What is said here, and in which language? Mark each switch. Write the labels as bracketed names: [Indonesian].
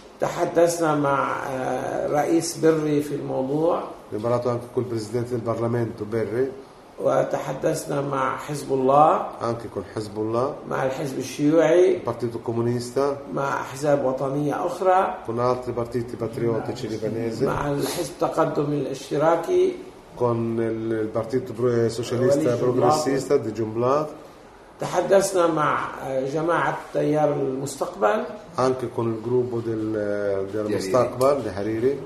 [Arabic] تحدثنا مع رئيس بري في الموضوع. [Italian] Abbiamo parlato anche col presidente del Parlamento Berri. [Arabic] وتحدثنا مع حزب الله. [Italian] Anche con Hezbollah. [Arabic] مع الحزب الشيوعي. [Italian] Il partito comunista. [Arabic] مع أحزاب وطنية أخرى. [Italian] Con altri partiti patriottici libanesi. [Arabic] مع الحزب التقدم الاشتراكي. [Italian] Con il partito socialista progressista di Jumblatt. [Arabic] تحدثنا مع جماعة تيار المستقبل [Italian] anche con il gruppo del del مستقبل الحريري